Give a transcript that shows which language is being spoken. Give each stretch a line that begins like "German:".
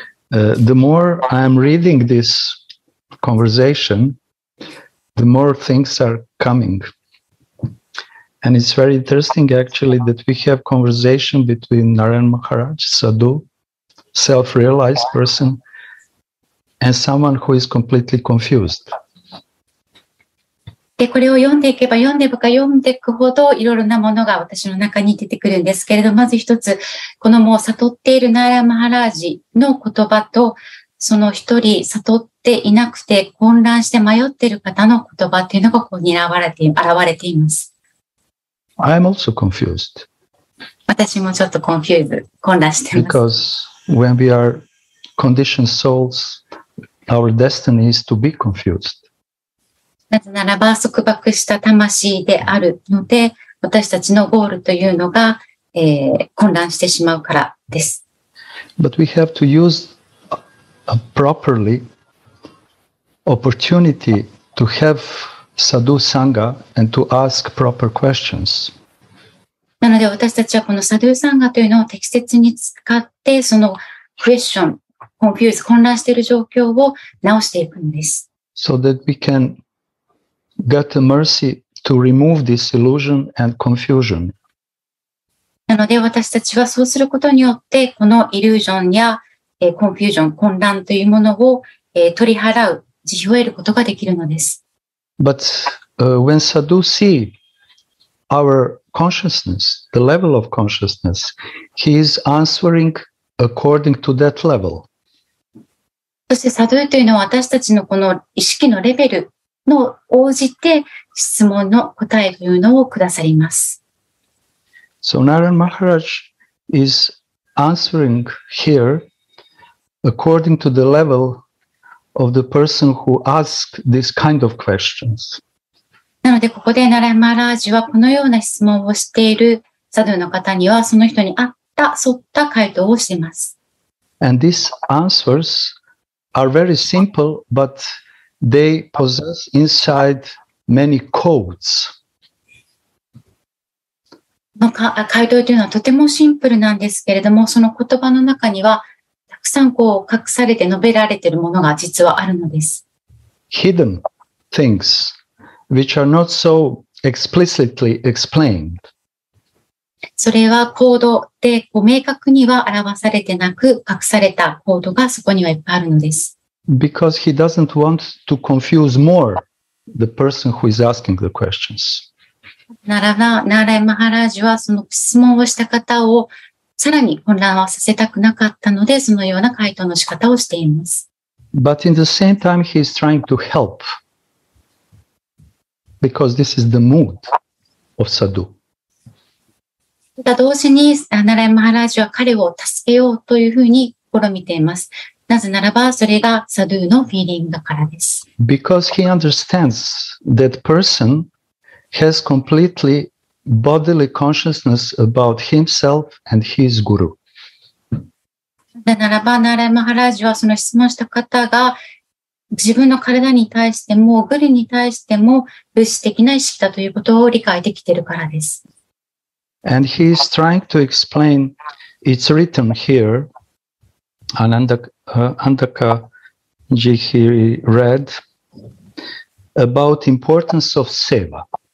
English: The more I'm reading this conversation, the more things are coming. And it's very interesting, actually, that we have conversation between Narayan Maharaj, Sadhu, self-realized person, and someone who is completely confused.
Japanese: で、これを読んでいけば読んでいくか読んでいくほどいろいろなものが私の中に出てくるんですけれど、まず一つ、このもう悟っているナラマハラージの言葉と、その一人悟っていなくて混乱して迷っている方の言葉というのがここに現れています。
English: I am also confused.
Japanese: 私もちょっと混乱してます。
English: Because when we are conditioned souls, our destiny is to be confused.
Japanese: なぜならば束縛した魂であるので、私たちのゴールというのが、混乱してしまうからです。
English: But we have to use a properly opportunity to have sadhu sangha and to ask proper questions.
Japanese: なので私たちはこのサドゥーサンガというのを適切に使って、そのクエスチョン、コンフューズ、混乱している状況を直していくんです。
English: So that we can get the mercy to remove this illusion and confusion.
Japanese: なので私たちはそうすることによって、このイリュージョンやコンフュージョン、混乱というものを取り払う、慈悲を得ることができるのです。
English: But, when Sadhu see our consciousness, the level of consciousness, he is answering according to that level.
Japanese: そしてサドゥというのは私たちのこの意識のレベルの応じて質問の答えというのをくださります。
English: So Narayan Maharaj is answering here according to the level of the person who asks this kind of questions.
Japanese: なので、ここでナラヤマハラージはこのような質問をしているサドゥの方には、その人に合った、沿った回答をしています。
English: And these answers are very simple, but they possess inside many codes.
Japanese: の回答というのはとてもシンプルなんですけれども、その言葉の中には、たくさんこう隠されて述べられているものが実はあるのです。
English: Hidden things which are not so explicitly explained.
Japanese: それはコードで明確には表されてなく隠されたコードがそこにはいっぱいあるのです。
English: Because he doesn't want to confuse more the person who is asking the questions.
Japanese: ならば、ナーライ・マハラージはその質問をした方をさらに混乱をさせたくなかったので、そのような回答の仕方をしています。
English: But in the same time, he is trying to help. Because this is the mood of Sadhu.
Japanese: ただ同時に、ナーライ・マハラージは彼を助けようというふうに試みています。なぜならば、それがサドゥのフィーリングだからです。
English: Because he understands that person has completely bodily consciousness about himself and his guru.
Japanese: だならば、ナーライ・マハラージはその質問した方が自分の体に対しても、グルに対しても物質的な意識だということを理解できているからです。
English: And he is trying to explain, it's written here, Ananda Jihiri read, about importance of seva.